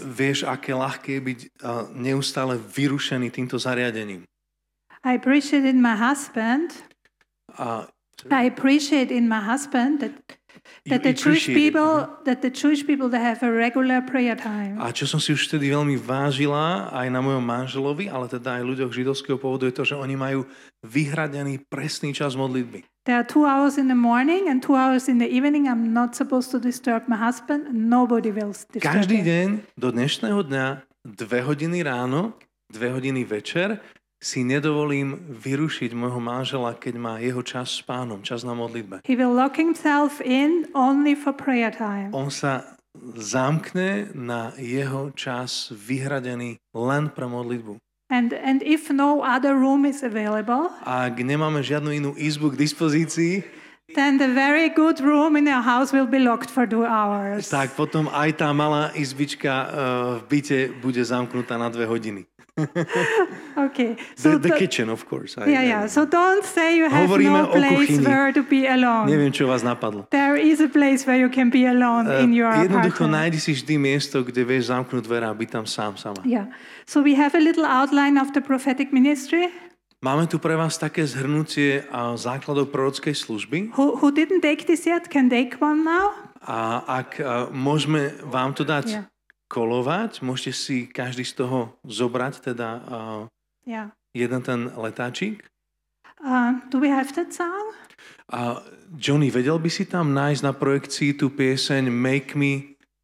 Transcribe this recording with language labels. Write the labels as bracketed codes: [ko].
[sk] Vieš, aké ľahké je byť neustále vyrušený týmto zariadením. [en] I appreciate in my husband. I appreciate in my husband that the Jewish people they have a regular prayer time. [sk] A čo som si už vtedy veľmi vážila aj na mojom manželovi, ale teda aj ľuďoch židovského pôvodu, je to, že oni majú vyhradený presný čas modlitby. [en] There are 2 hours in the morning and 2 hours in the evening. I'm not supposed to disturb my husband. Nobody will disturb him. [sk] Každý deň do dnešného dňa 2 hodiny ráno, 2 hodiny večer si nedovolím vyrušiť môjho manžela, keď má jeho čas s Pánom, čas na modlitbe. [en] He will lock himself in only for prayer time. [sk] On sa zamkne na jeho čas vyhradený len pre modlitbu. [en] And if no other room is available, [sk] ak nemáme žiadnu inú izbu k dispozícii, [en] Then the very good room in your house will be locked for 2 hours. [sk] Tak potom aj tá malá izbička v byte bude zamknutá na 2 hodiny. [en] Okay. So the kitchen, of course. Yeah. So don't say you have no place where to be alone. [sk] Neviem, čo vás napadlo. [en] There is a place where you can be alone in your apartment. [sk] Jednoducho nájdi si vždy miesto, kde vieš zamknúť dvere a byť tam sám, sama. [en] Yeah. So we have a little outline of the prophetic ministry. [sk] Máme tu pre vás také zhrnutie základov prorockej služby. [en] Who didn't take this yet can take one now. [sk] A ak môžeme vám to dať kolovať, môžete si každý z toho zobrať teda jeden ten letáčik. [en] Do we have that song? [sk] Johnny, vedel by si tam nájsť na projekcii tú pieseň Make Me...